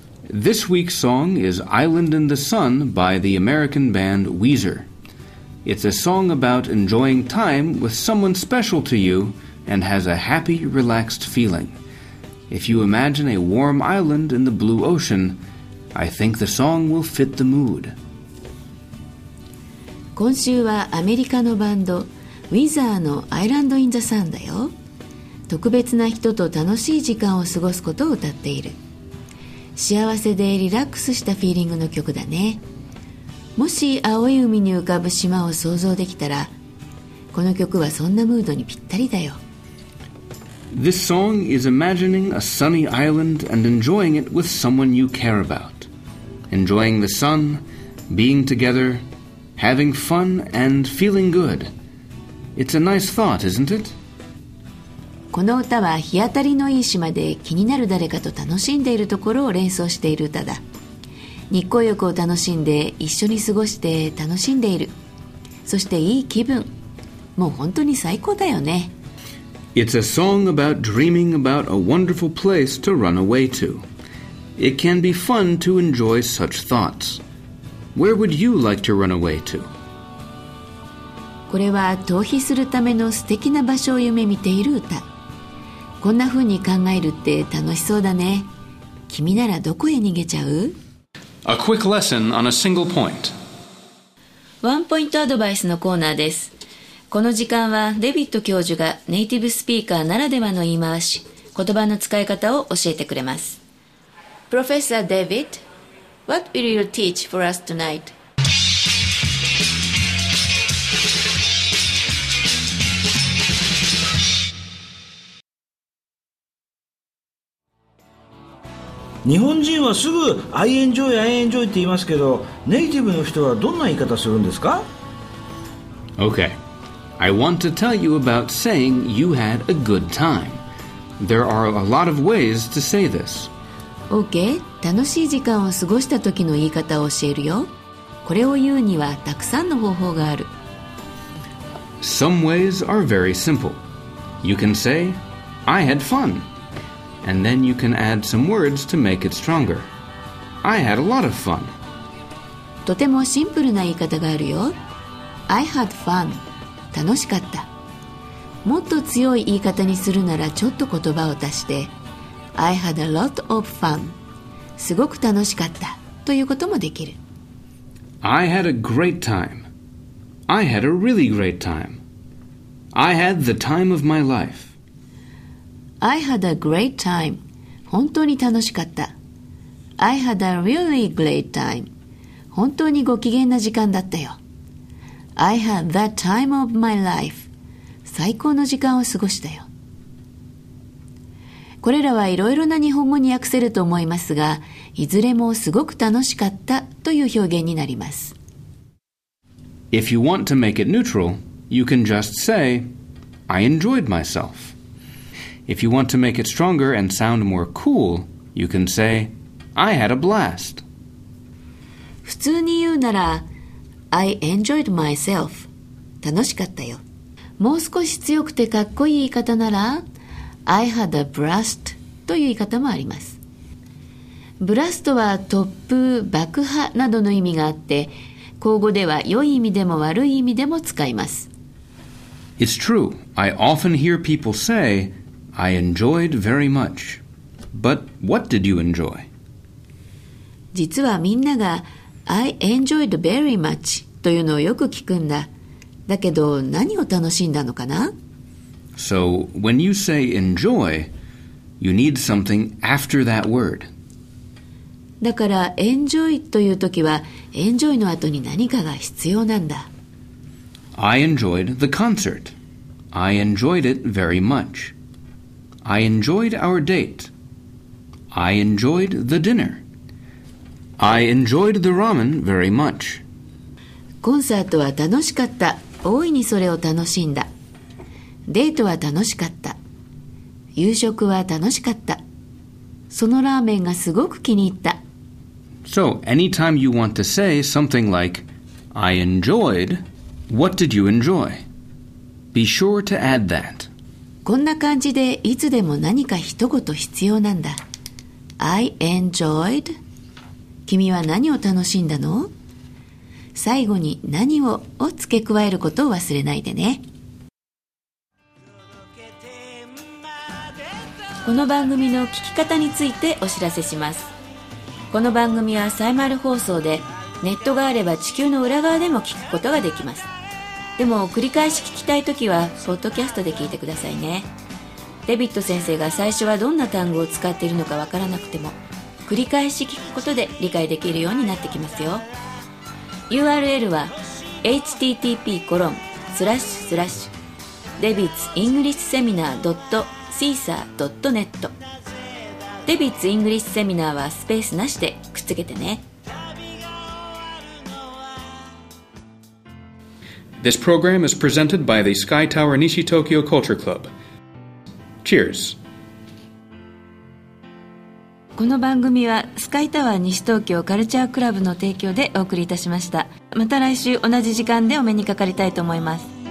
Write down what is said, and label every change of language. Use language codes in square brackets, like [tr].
[en] This week's song is Island in the Sun by the American band Weezer. It's a song about enjoying time with someone special to you and has a happy, relaxed feeling. If you imagine a warm island in the blue ocean, I think the song will fit the mood. [ja] 今週はアメリカのバンド、Weezer の Island in the Sun だよ。特別な人と楽しい時間を過ごすことを歌っている。幸せでリラックスしたフィーリングの曲だね。もし青い海に浮かぶ島を想像できたら、この曲はそんなムードにぴったりだよ。 [en] This song is imagining a sunny island and enjoying it with someone you care about. Enjoying the sun, being together, having fun and feeling good. It's a nice thought, isn't it? [ja] この歌は日当たりのいい島で気になる誰かと楽しんでいるところを連想している歌だ。日光浴を楽しんで一緒に過ごして楽しんでいる。そしていい気分。もう本当に最高だよね。 [en] It's a song about dreaming about a wonderful place to run away to. It can be fun to enjoy such thoughts. Where would you like to run away to? [ja] これは逃避するための素敵な場所を夢見ている歌。こんな風に考えるって楽しそうだね。君ならどこへ逃げちゃう？ [en] A quick lesson on a single point. [ja] ワンポイントアドバイスのコーナーです。この時間はデビッド教授がネイティブスピーカーならではの言い回し、言葉の使い方を教えてくれます。 [en] Professor David, what will you teach for us tonight? [ja] 日本人はすぐ [en] I enjoy, I enjoy [ja] って言いますけど、ネイティブの人はどんな言い方するんですか？ [en] Okay, I want to tell you about saying you had a good time. There are a lot of ways to say this. [ja] Okay, 楽しい時間を過ごした時の言い方を教えるよ。これを言うにはたくさんの方法がある。 [en] Some ways are very simple. You can say, I had fun. And then you can add some words to make it stronger. I had a lot of fun. [ja] とてもシンプルな言い方があるよ。 [en] I had fun. [ja] 楽しかった。もっと強い言い方にするならちょっと言葉を足して [en] I had a lot of fun. [ja] すごく楽しかったということもできる。 [en] I had a great time. I had a really great time. I had the time of my life. I had a great time. [ja] 本当に楽しかった。 [en] I had a really great time. [ja] 本当にご機嫌な時間だったよ。 [en] I had the time of my life. [ja] 最高の時間を過ごしたよ。これらはいろいろな日本語に訳せると思いますが、いずれもすごく楽しかったという表現になります。 [en] If you want to make it neutral, you can just say, I enjoyed myself. If you want to make it stronger and sound more cool, you can say, I had a blast. [ja] 普通に言うなら、 [en] I enjoyed myself. [ja] 楽しかったよ。もう少し強くてかっこいい言い方なら、 [en] I had a blast [ja] という言い方もあります。ブラストは突風、爆破などの意味があって、口語では良い意味でも悪い意味でも使います。 [en] It's true. I often hear people say,I enjoyed very much. But what did you enjoy? [ja] 実はみんなが [en] I enjoyed very much [ja] というのをよく聞くんだ。だけど何を楽しんだのかな？ [en] So, when you say enjoy, you need something after that word. [ja] だから enjoy というときは enjoy の後に何かが必要なんだ。 [en] I enjoyed the concert. I enjoyed it very much. I enjoyed our date. I enjoyed the dinner. I enjoyed the ramen very much. [ja] コンサートは楽しかった。大いにそれを楽しんだ。デートは楽しかった。夕食は楽しかった。そのラーメンがすごく気に入った。 [en] So, anytime you want to say something like, I enjoyed, what did you enjoy? Be sure to add that. [ja] こんな感じでいつでも何か一言必要なんだ。 [en] I enjoyed. [ja] 君は何を楽しんだの？最後に何を付け加えることを忘れないでね。この番組の聞き方についてお知らせします。この番組はサイマル放送で、ネットがあれば地球の裏側でも聞くことができます。でも繰り返し聞きたいときはポッドキャストで聞いてくださいね。デビッド先生が最初はどんな単語を使っているのかわからなくても、繰り返し聞くことで理解できるようになってきますよ。 URL は http://debitsenglishseminar.caesar.net。デビッツイングリッシュセミナーはスペースなしでくっつけてね。 [en] This program is presented by the Sky Tower Nishi Tokyo Culture Club. Cheers. [ja] この番組はスカイタワー西東京カルチャークラブの提供でお送りいたしました。また来週同じ時間でお目にかかりたいと思います。